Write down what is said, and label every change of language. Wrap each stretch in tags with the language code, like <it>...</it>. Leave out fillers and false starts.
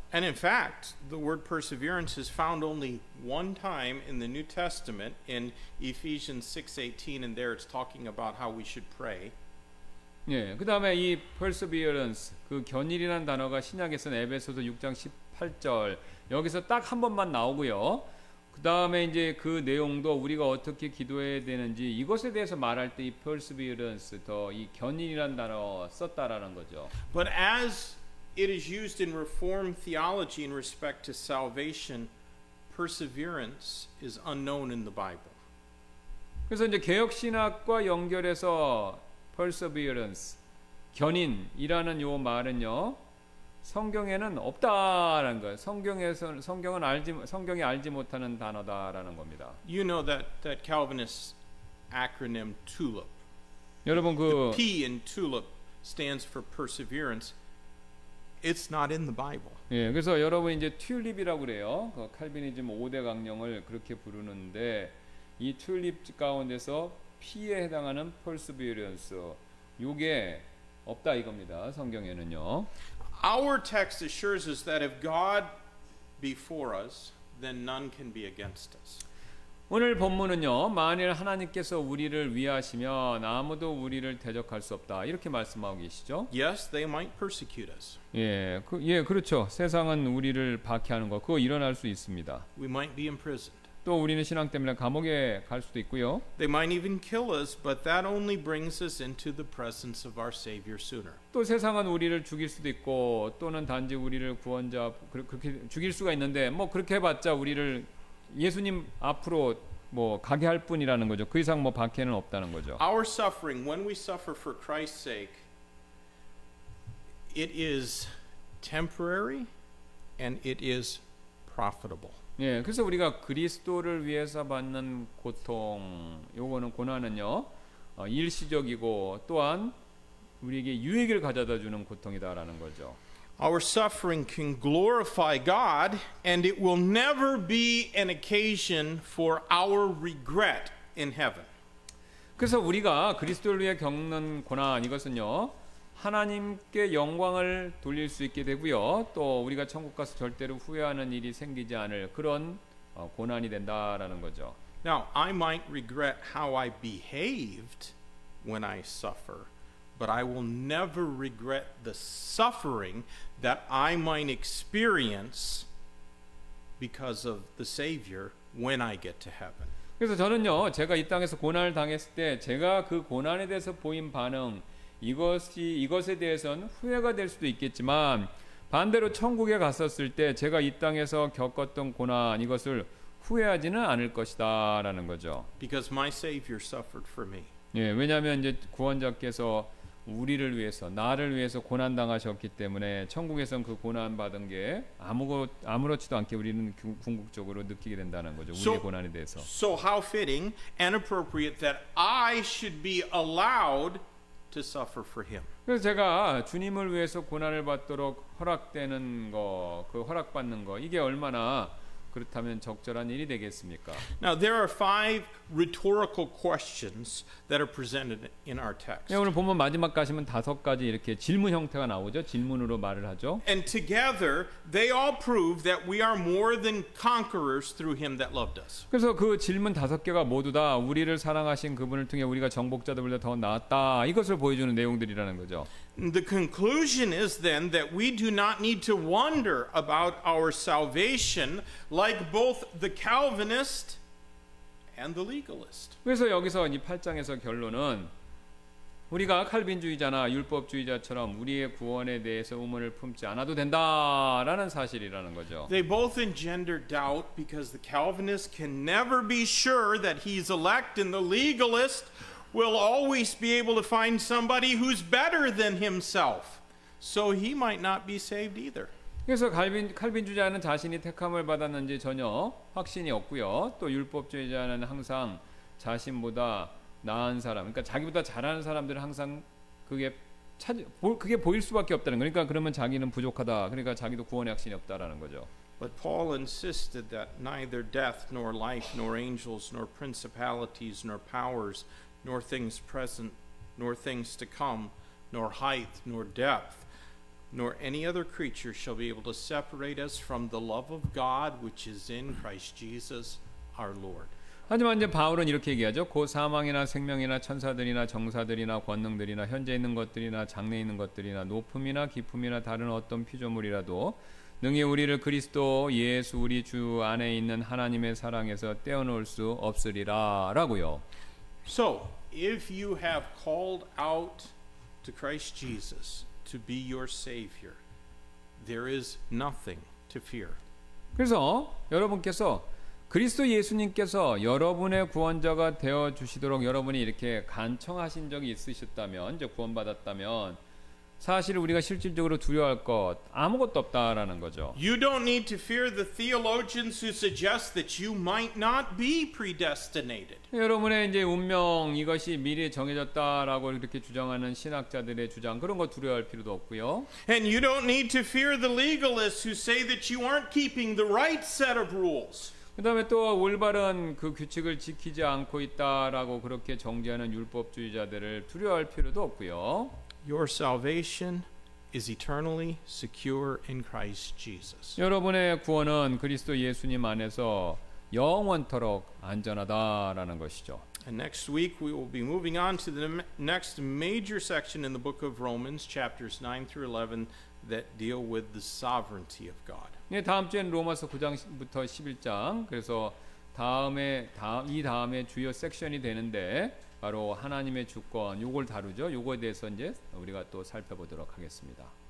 <en>And in fact, the word perseverance is found only one time in the New Testament in Ephesians 6:18 and there it's talking about how we should pray.</en> <ko>예, 그다음에 이 perseverance 그 견인이라는 단어가 신약에서는 에베소서 6장 18절 여기서 딱 한 번만 나오고요. 그다음에 이제 그 내용도 우리가 어떻게 기도해야 되는지 이것에 대해서 말할 때 이 perseverance 더 이 견인이란 단어 썼다라는 거죠.</ko> <en>But as it is used in Reformed theology in respect to salvation, perseverance is unknown in the Bible.</en> <ko>그래서 이제 개혁 신학과 연결해서 perseverance 견인이라는 요 말은요. 성경에는 없다라는 거예요. 성경에서 성경은 알지 성경이 알지 못하는 단어다라는 겁니다.</ko> <en>You know that Calvinist acronym TULIP.</en> <ko>여러분 그</ko> <en>P in TULIP stands for perseverance. It's not in the Bible.</en> <ko>예, 그래서 여러분 이제 튤립이라고 그래요. 그 칼빈이즘 5대 강령을 그렇게 부르는데 이 튤립 가운데서 P에 해당하는 perseverance 요게 없다 이겁니다. 성경에는요.</ko> <en>Our text assures us that if God be for us, then none can be against us.</en> <ko>오늘 본문은요, 만일 하나님께서 우리를 위하시면 아무도 우리를 대적할 수 없다 이렇게 말씀하고 계시죠.</ko> <en>Yes, they might persecute us.</en> <ko>예, 그렇죠. 세상은 우리를 박해하는 것, 그거 일어날 수 있습니다.</ko> <en>We might be imprisoned.</en> <ko>또 우리는 신앙 때문에 감옥에 갈 수도 있고요.</ko> <en>They might even kill us, but that only brings us into the presence of our Savior sooner.</en> <ko>또 세상은 우리를 죽일 수도 있고, 또는 단지 우리를 구원자 그렇게 죽일 수가 있는데, 뭐 그렇게 해봤자 우리를 예수님 앞으로 뭐 가게 할 뿐이라는 거죠. 그 이상 뭐 박해는 없다는 거죠.</ko> <en>Our suffering, when we suffer for Christ's sake, it is temporary and it is profitable.</en> <ko>예, 그래서 우리가 그리스도를 위해서 받는 고통, 요거는 고난은요, 일시적이고 또한 우리에게 유익을 가져다 주는 고통이다라는 거죠.</ko> <en>Our suffering can glorify God, and it will never be an occasion for our regret in heaven.</en> <ko>그래서 우리가 그리스도를 위해 겪는 고난 이것은요, 하나님께 영광을 돌릴 수 있게 되고요, 또 우리가 천국 가서 절대로 후회하는 일이 생기지 않을 그런 고난이 된다라는 거죠.</ko> <en>Now I might regret how I behaved when I suffer. But I will never regret the suffering that I might experience because of the Savior when I get to heaven.</en> <ko>그래서 저는요, 제가 이 땅에서 고난을 당했을 때 제가 그 고난에 대해서 보인 반응, 이것에 대해서는 후회가 될 수도 있겠지만 반대로 천국에 갔었을 때 제가 이 땅에서 겪었던 고난 이것을 후회하지는 않을 것이다 라는 거죠.</ko> <en>Because my Savior suffered for me.</en> <ko>예, 왜냐하면 이제 구원자께서 우리를 위해서 나를 위해서 고난 당하셨기 때문에 천국에선 그 고난 받은 게 아무렇지도 않게 우리는 궁극적으로 느끼게 된다는 거죠. 우리의 고난에 대해서.</ko> <en>So how fitting and appropriate that I should be allowed to suffer for him.</en> <ko>그래서 제가 주님을 위해서 고난을 받도록 허락되는 거, 그 허락 받는 거 이게 얼마나 그렇다면 적절한 일이 되겠습니까?</ko> <en>Now there are five rhetorical questions that are presented in our text.</en> <ko>네, 오늘 본문 마지막 가시면 다섯 가지 이렇게 질문 형태가 나오죠. 질문으로 말을 하죠.</ko> <en>And together they all prove that we are more than conquerors through him that loved us.</en> <ko>그래서 그 질문 다섯 개가 모두 다 우리를 사랑하신 그분을 통해 우리가 정복자들보다 더 나았다. 이것을 보여주는 내용들이라는 거죠.</ko> <en>The conclusion is then that we do not need to wonder about our salvation like both the Calvinist and the legalist.</en> <ko>그래서 여기서 이 8장에서 결론은 우리가 칼빈주의자나 율법주의자처럼 우리의 구원에 대해서 의문을 품지 않아도 된다라는 사실이라는 거죠.</ko> <en>They both engender doubt because the Calvinist can never be sure that he's elect and the legalist will always be able to find somebody who's better than himself. So he might not be saved either.</en> <ko>그래서 칼빈주의자는 자신이 택함을 받았는지 전혀 확신이 없고요. 또 율법주의자는 항상 자신보다 나은 사람, 그러니까 자기보다 잘하는 사람들은 항상 그게 보일 수밖에 없다는 거예요. 그러니까 그러면 자기는 부족하다. 그러니까 자기도 구원의 확신이 없다라는 거죠.</ko> <en>But Paul insisted that neither death nor life nor angels nor principalities nor powers nor things present nor things to come nor height nor depth nor any other creature shall be able to separate us from the love of God which is in Christ Jesus our Lord.</en> <ko>하지만 이제 바울은 이렇게 얘기하죠. 곧 사망이나 생명이나 천사들이나 정사들이나 권능들이나 현재 있는 것들이나 장래 있는 것들이나 높음이나 깊음이나 다른 어떤 피조물이라도 능히 우리를 그리스도 예수 우리 주 안에 있는 하나님의 사랑에서 떼어놓을 수 없으리라 라고요.</ko> <en>So, if you have called out to Christ Jesus to be your Savior, there is nothing to fear.</en> <ko>그래서 여러분께서 그리스도 예수님께서 여러분의 구원자가 되어 주시도록 여러분이 이렇게 간청하신 적이 있으셨다면, 이제 구원받았다면 사실 우리가 실질적으로 두려워할 것 아무것도 없다라는 거죠.</ko> <en>You don't need to fear the theologians who suggest that you might not be predestinated.</en> <ko>여러분의 이제 운명 이것이 미리 정해졌다라고 이렇게 주장하는 신학자들의 주장 그런 거 두려워할 필요도 없고요.</ko> <en>And you don't need to fear the legalists who say that you aren't keeping the right set of rules.</en> <ko>그 다음에 또 올바른 그 규칙을 지키지 않고 있다라고 그렇게 정죄하는 율법주의자들을 두려워할 필요도 없고요.</ko> <en>Your salvation is eternally secure in Christ Jesus.</en> <ko>여러분의 구원은 그리스도 예수님 안에서 영원토록 안전하다라는 것이죠.</ko> <en>And next week we will be moving on to the next major section in the book of Romans, chapters 9 through 11, that deal with the sovereignty of God.</en> <ko>네, 다음 주엔 로마서 9장부터 11장, 그래서 다음에 이 다음에 주요 섹션이 되는데 바로 하나님의 주권 요걸 다루죠. 요거에 대해서 이제 우리가 또 살펴보도록 하겠습니다.</ko>